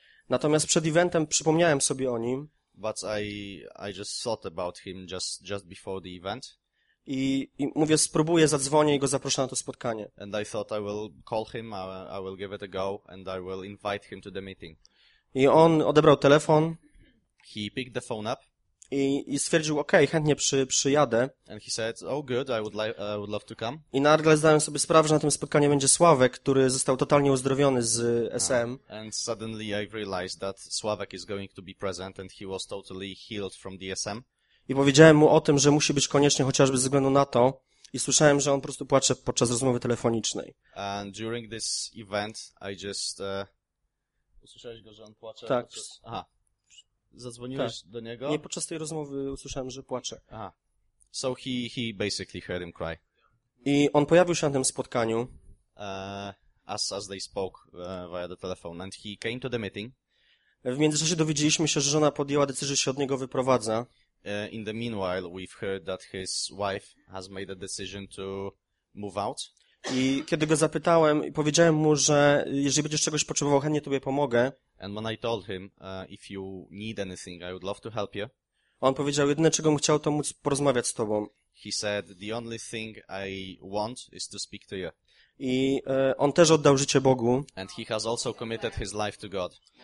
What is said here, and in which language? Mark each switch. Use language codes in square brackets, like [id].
[pl] Natomiast przed eventem przypomniałem sobie o nim. [en] But I just thought about him just before the event. [pl] I mówię, spróbuję, zadzwonię i go zaproszę na to spotkanie. [en] And I thought I will call him, I will give it a go and I will invite him to the meeting. [pl] I on odebrał telefon. [en] He picked the phone up. [pl] I stwierdził, okej, chętnie przyjadę. [en] And he said, oh good, I would love to come. [pl] I nagle zdałem sobie sprawę, że na tym spotkaniu będzie Sławek, który został totalnie uzdrowiony z SM. [en] And suddenly I realized that Sławek is going to be present and he was totally healed from the SM. [pl] I powiedziałem mu o tym, że musi być koniecznie, chociażby ze względu na to, i słyszałem, że on po prostu płacze podczas rozmowy telefonicznej. [en] And during this event I just... [pl] Usłyszałeś go, że on płacze? Tak. Podczas... Aha. Zadzwoniłeś do niego? Nie, podczas tej rozmowy usłyszałem, że płacze. Aha. [en] So he basically heard him cry. [pl] I on pojawił się na tym spotkaniu. [en] As they spoke via the telephone and he came to the meeting. [pl] W międzyczasie dowiedzieliśmy się, że żona podjęła decyzję, że się od niego wyprowadza. [en] In the meanwhile we've heard that his wife has made a decision to move out. [pl] I kiedy go zapytałem, powiedziałem mu, że jeżeli będziesz czegoś potrzebował, chętnie tobie pomogę. [en] And when I told him, if you need anything, I would love to help you. [pl] On powiedział, jedyne czego bym chciał, to móc porozmawiać z tobą. [en] He said, the only thing I want is to speak to you. [pl] I on też oddał życie Bogu. [en] And he has also committed his life to God.